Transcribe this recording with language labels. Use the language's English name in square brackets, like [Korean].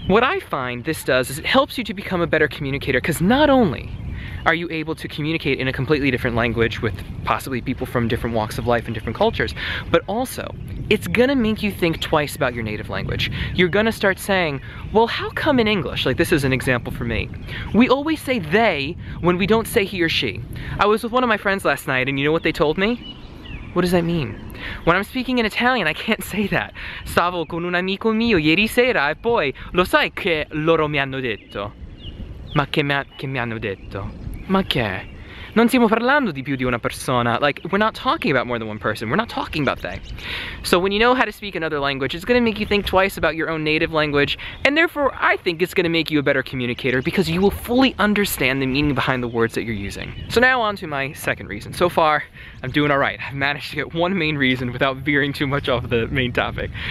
[English] What I find this does is it helps you to become a better communicator, because not only are you able to communicate in a completely different language with possibly people from different walks of life and different cultures, but also, it's gonna make you think twice about your native language. You're gonna start saying, well, how come in English, like this is an example for me, we always say they when we don't say he or she. I was with one of my friends last night, and you know what they told me? What does that mean? When I'm speaking in Italian, I can't say that. [Italian] Stavo con un amico mio ieri sera e poi lo sai che loro mi hanno detto. Ma che mi hanno detto? Ma che? Non stiamo parlando di più di una persona. [English] Like, we're not talking about more than one person. We're not talking about they. So when you know how to speak another language, it's gonna make you think twice about your own native language, and therefore, I think it's gonna make you a better communicator because you will fully understand the meaning behind the words that you're using. So now on to my second reason. So far, I'm doing all right. I've managed to get one main reason without veering too much off the main topic.